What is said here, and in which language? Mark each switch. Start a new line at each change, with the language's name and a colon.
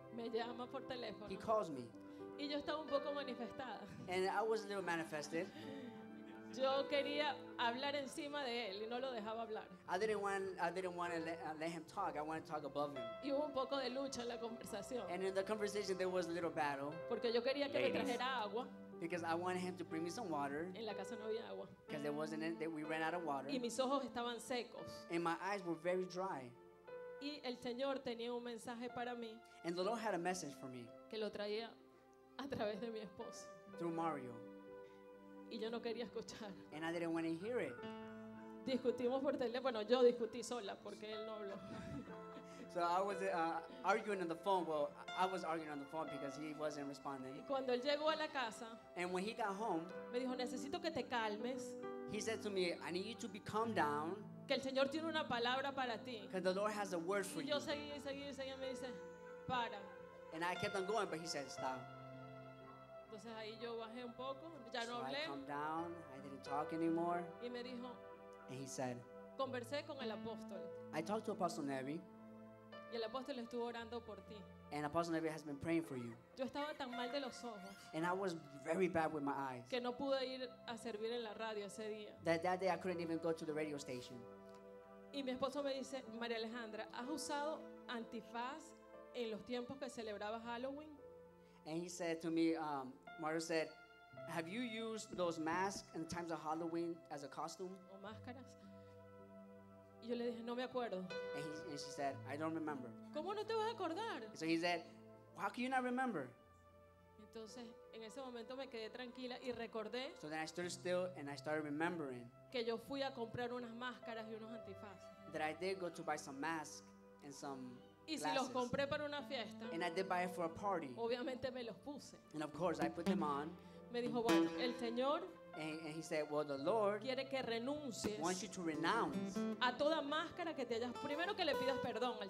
Spanish: me llama por teléfono.
English: He calls me.
Spanish: Y yo estaba un poco manifestada.
English: And I was a little manifested.
Spanish: Yo quería hablar encima de él y no lo dejaba hablar.
English: I didn't want to let him talk. I wanted to talk above him.
Spanish: Y hubo un poco de lucha en la conversación.
English: And in the conversation there was a little battle.
Spanish: Porque yo quería que me trajera agua.
English: Because I wanted him to bring me some water.
Spanish: En la casa no había agua.
English: Because there wasn't any, we ran out of water.
Spanish: Y mis ojos estaban secos.
English: And my eyes were very dry.
Spanish: Y el Señor tenía un mensaje para mí.
English: And the Lord had a message for me.
Spanish: Que lo traía a través de mi esposo.
English: Through Mario.
Spanish: Y yo no quería escuchar.
English: And I didn't want to hear it.
Spanish: Discutimos por teléfono. Yo discutí sola porque él no habló.
English: So I was arguing on the phone. Well, I was arguing on the phone because he wasn't responding.
Spanish: Y cuando él llegó a la casa,
English: and when he got home,
Spanish: me dijo, necesito que te calmes.
English: He said to me, I need you to be calm down.
Spanish: Que el Señor tiene una palabra para ti.
English: Because the Lord has a word for you.
Spanish: Y yo seguí, me dice, para.
English: And I kept on going, but he said, stop.
Spanish: Entonces ahí yo bajé un poco, ya no hablé.
English: So I calmed down, I didn't talk anymore.
Spanish: Y me dijo,
English: and he said,
Spanish: Conversé con el apóstol.
English: I talked to Apostle Nevi.
Spanish: Y el apóstol estuvo orando por ti.
English: And Apostle Nevi has been praying for you.
Spanish: Yo estaba tan mal de los ojos.
English: And I was very bad with my eyes.
Spanish: Que no pude ir a servir en la radio ese día.
English: That day I couldn't even go to the radio station.
Spanish: Y mi esposo me dice, María Alejandra, ¿has usado antifaz en los tiempos que celebrabas Halloween?
English: And he said to me, Mario said, have you used those masks in times of Halloween as a costume?
Spanish: O máscaras. Y yo le dije, no me acuerdo.
English: And she said, I don't remember.
Spanish: ¿Cómo no te vas a acordar?
English: So he said, how can you not remember?
Spanish: Entonces, en ese momento me quedé tranquila y recordé.
English: So then I stood still and I started remembering.
Spanish: Que yo fui a comprar unas máscaras y unos antifaces.
English: That I did go to buy some masks and some glasses.
Spanish: Y si los compré para una fiesta.
English: And I did buy it for a party.
Spanish: Obviamente me los puse.
English: And of course I put them on.
Spanish: Me dijo, bueno, el Señor.
English: And he said, well, the Lord
Spanish: quiere que renuncies.
English: Wants you to renounce.
Spanish: A toda máscara que te hayas. Primero que le pidas perdón al